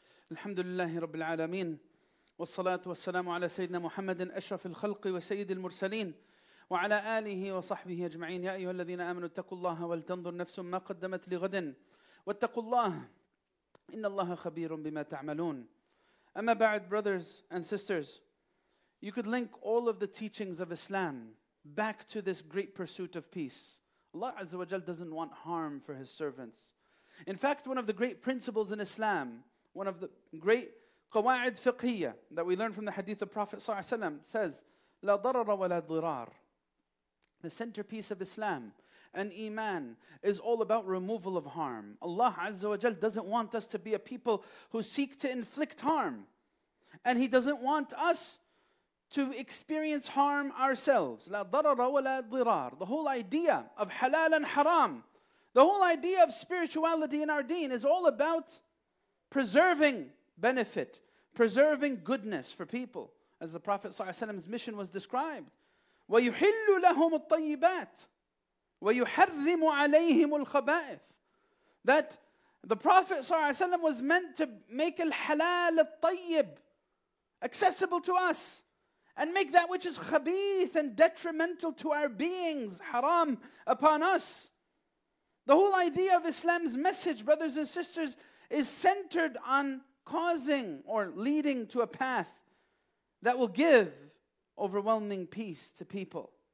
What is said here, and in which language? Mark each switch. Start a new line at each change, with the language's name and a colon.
Arabic: الحمد لله رب العالمين والصلاة والسلام على سيدنا محمد أشرف الخلق وسيد المرسلين وعلى آله وصحبه أجمعين. يا أيها الذين آمنوا اتقوا الله ولتنظر نفس ما قدمت لغد واتقوا الله إن الله خبير بما تعملون. أما بعد,
English: brothers and sisters, you could link all of the teachings of Islam back to this great pursuit of peace. Allah
Arabic: عز وجل
English: doesn't want harm for His servants. In fact, one of the great principles in Islam, one of the great qawa'id fiqhiyya that we learn from the hadith of Prophet ﷺ, says,
Arabic: "La darara wa la dirar."
English: The centerpiece of Islam and Iman is all about removal of harm. Allah
Arabic: Azza wa Jal
English: doesn't want us to be a people who seek to inflict harm. And He doesn't want us to experience harm ourselves.
Arabic: La darara wa la dirar.
English: The whole idea of halal and haram, the whole idea of spirituality in our deen is all about preserving benefit, preserving goodness for people, as the Prophet ﷺ's mission was described.
Arabic: ويحل لهم الطيبات ويحرم عليهم الخبائث.
English: That the Prophet
Arabic: sallallahu alaihi wasallam
English: was meant to make al-halal al-tayyib accessible to us, and make that which is khabith and detrimental to our beings haram upon us. The whole idea of Islam's message, brothers and sisters, is centered on causing or leading to a path that will give overwhelming peace to people.